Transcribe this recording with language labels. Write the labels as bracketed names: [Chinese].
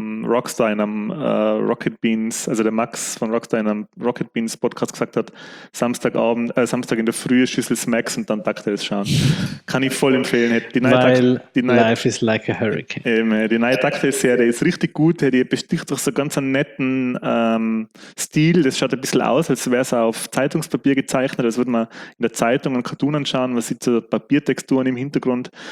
[German] Rockstar in einem Rocket Beans, also der Max von Rockstar in einem Rocket Beans Podcast gesagt hat, Samstagabend, Samstag in der Frühe Schüssel Smacks und dann DuckTales schauen. Kann ich voll empfehlen. [English] Life is like a hurricane. [German] Die neue DuckTales-Serie ist richtig gut, die besticht durch so ganz einen netten Stil. Das schaut ein bisschen aus, als wäre es auf Zeitungspapier gezeichnet, als würde man in der Zeitung einen Cartoon anschauen, man sieht so Papiertexturen im Hintergrund.